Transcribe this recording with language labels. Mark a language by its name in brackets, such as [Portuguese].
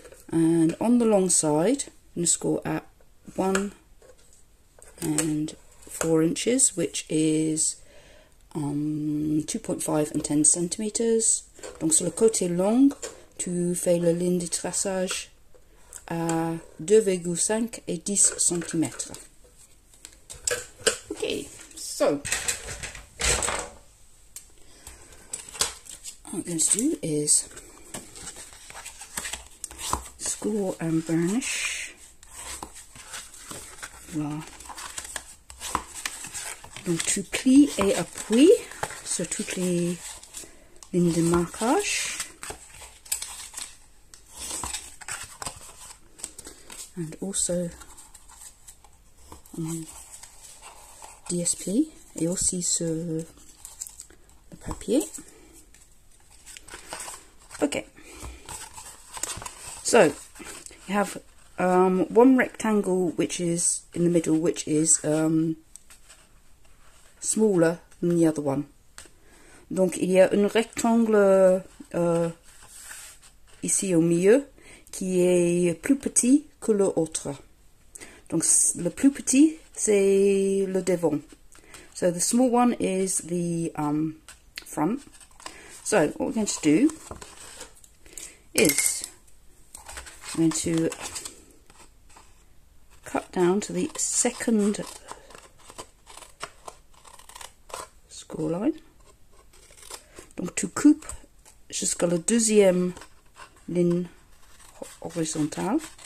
[English] And on the long side, I'm going to score at 1 and 4 inches, which is 2.5 and 10 centimètres. [French] Donc sur le côté long, tu fais la ligne de traçage à 2,5 et 10 centimètres. [English] Okay, so what I'm going to do is score and burnish. [French] Voilà. Donc tu plies et appuies sur toutes les lignes de marquage. [English] And also on DSP [French] et aussi sur le papier. [English] Okay. So you have one rectangle which is in the middle, which is smaller than the other one. [French] Donc il y a un rectangle ici au milieu qui est plus petit que l'autre. Donc le plus petit c'est le devant. [English] So the small one is the front. So what we're going to do is I'm going to cut down to the second score line. [French] Donc tu coupes jusqu'à la deuxième ligne horizontale.